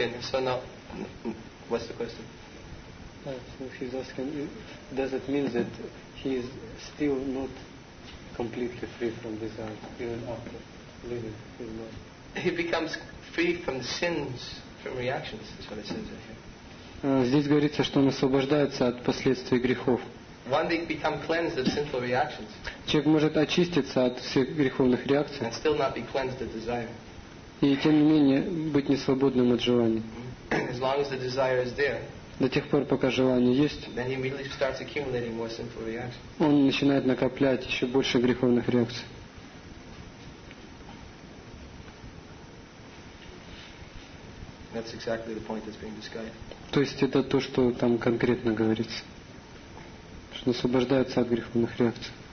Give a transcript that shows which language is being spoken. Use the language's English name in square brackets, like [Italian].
[English] So now, what's the question? So he's asking, does it mean that he is still not completely free from desire, even after living his life? He becomes free from sins, from reactions, is what it says here. [Russian] Здесь говорится, что он освобождается от последствий грехов. [English] One day become cleansed of sinful reactions. [Russian] Человек может очиститься от всех греховных реакций. [English] And still not be cleansed of desire. [Russian] И тем не менее быть несвободным от желаний. [English] As long as the desire is there, [Russian] до тех пор, пока желание есть, [English] then he immediately starts accumulating more sinful reactions. [Russian] Он начинает накоплять еще больше греховных реакций. [English] That's exactly the point that's being discussed. [Russian] То есть это то, что там конкретно говорится. Что освобождается от греховных реакций.